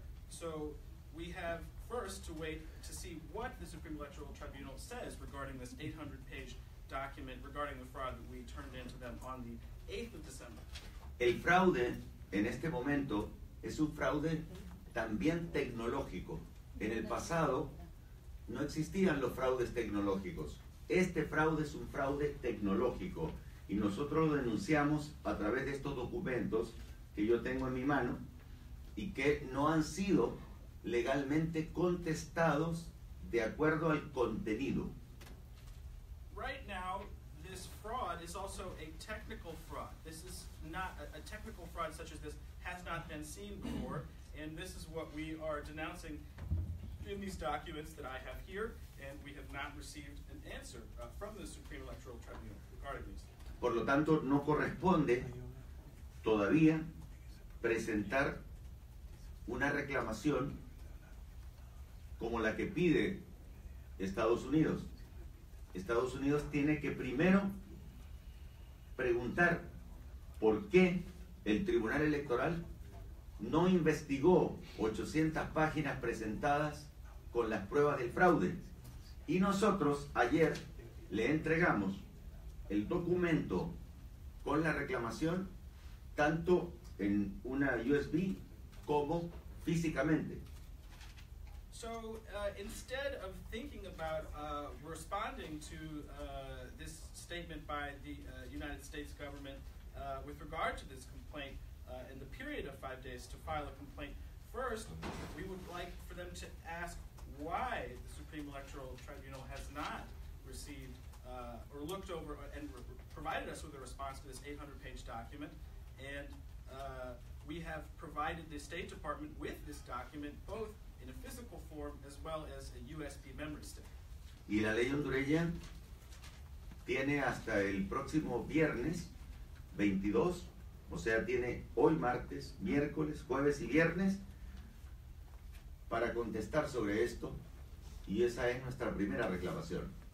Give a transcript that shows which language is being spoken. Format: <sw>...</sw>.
<en>So we have first to wait to see what the Supreme Electoral Tribunal says regarding this 800-page document regarding the fraud that we turned into them on the 8th of December.</en> <es>El fraude en este momento es un fraude también tecnológico. En el pasado no existían los fraudes tecnológicos. Este fraude es un fraude tecnológico y nosotros lo denunciamos a través de estos documentos que yo tengo en mi mano y que no han sido legalmente contestados de acuerdo al contenido.</es> <en>Right now, this fraud is also a technical fraud. This is not a technical fraud such as this has not been seen before, and this is what we are denouncing in these documents that I have here, and we have not received an answer from the Supreme Electoral Tribunal regarding these.</en> <es>Por lo tanto, no corresponde todavía presentar una reclamación como la que pide Estados Unidos. Estados Unidos tiene que primero preguntar por qué el Tribunal Electoral no investigó 800 páginas presentadas con las pruebas del fraude. Y nosotros ayer le entregamos el documento con la reclamación tanto en una USB como físicamente.</es> <en>So instead of thinking about responding to this statement by the United States government with regard to this complaint in the period of 5 days to file a complaint, first, we would like for them to ask why the Supreme Electoral Tribunal has not received or looked over and provided us with a response to this 800-page document. And we have provided the State Department with this document, both in a physical form as well as a USP memory stick.</en> <es>Y la ley hondureña tiene hasta el próximo viernes 22, o sea, tiene hoy martes, miércoles, jueves y viernes para contestar sobre esto, y esa es nuestra primera reclamación.</es>